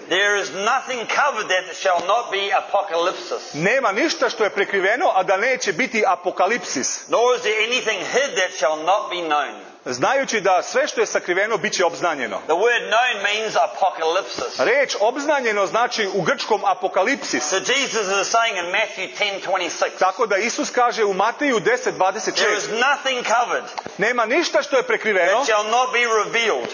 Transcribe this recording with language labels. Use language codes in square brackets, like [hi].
[en] There is nothing covered that shall not be apocalypsis. [sr] Nema ništa što je prekriveno, a da neće biti apokalipsis. [en] Nor is there anything hid that shall not be known. [sr] Znajući da sve što je sakriveno biće obznanjeno. [en] The word known means apocalypsis. [sr] Reč obznanjeno znači u grčkom apokalipsis. [en] So Jesus is saying in Matthew 10:26. [sr] Tako da Isus kaže u Mateju 10:26. [en] There is nothing covered. [sr] Nema ništa što je prekriveno. [en] It shall not be revealed.